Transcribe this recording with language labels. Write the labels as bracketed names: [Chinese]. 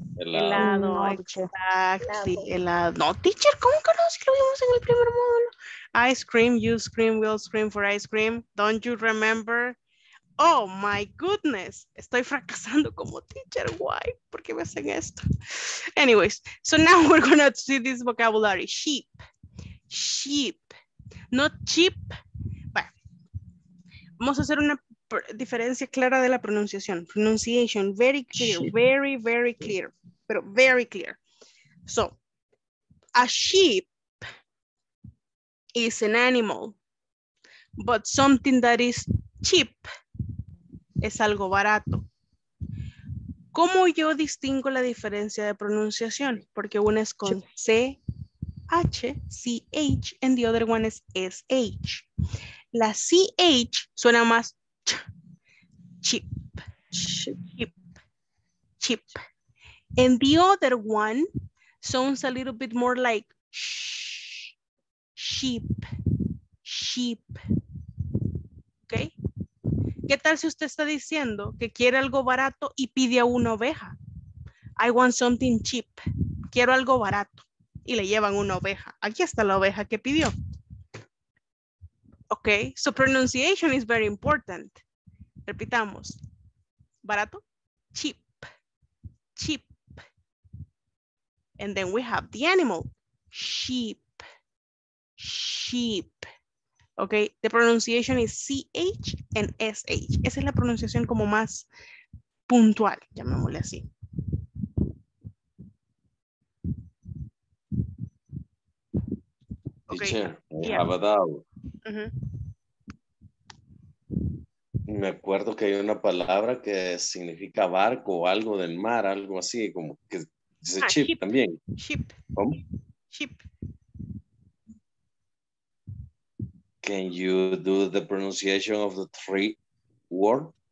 [Spanish] No, teacher, ¿cómo que no? Si lo vimos en el primer módulo. [English] Ice cream, you scream, we'll scream for ice cream. Don't you remember? Oh, my goodness. [Spanish] Estoy fracasando como teacher. [English] Why? [Spanish] ¿Por qué me hacen esto? [English] Anyways, so now we're going to see this vocabulary. Sheep. Sheep. Not cheap. [Spanish] Bueno, vamos a hacer una diferencia clara de la pronunciación. [English] Pronunciation. Very clear. Sheep. Very, very clear. Pero very clear. So, a sheep is an animal, but something that is cheap [Spanish] es algo barato. ¿Cómo yo distingo la diferencia de pronunciación? Porque una es con C-H, C-H, [English] and the other one is S-H. [Spanish] La C-H suena más ch, chip, chip, chip. [English] And the other one sounds a little bit more like sh, sheep, sheep. ¿Ok? [Spanish] ¿Qué tal si usted está diciendo que quiere algo barato y pide a una oveja? [English] I want something cheap. [Spanish] Quiero algo barato. Y le llevan una oveja. Aquí está la oveja que pidió. [English] Ok, so pronunciation is very important. [Spanish] Repitamos. Barato. Cheap. Cheap. [English] And then we have the animal. Sheep. Sheep. Ok, the pronunciation is CH and SH. [Spanish] Esa es la pronunciación como más puntual, llamémosle así. [English] Okay. Teacher, yeah. I have a doubt. Uh-huh. [Spanish] Me acuerdo que hay una palabra que significa barco o algo del mar, algo así, como que dice chip también. [English] Ship. [Spanish] ¿Cómo? [English] Ship. Can you do the pronunciation of the three word?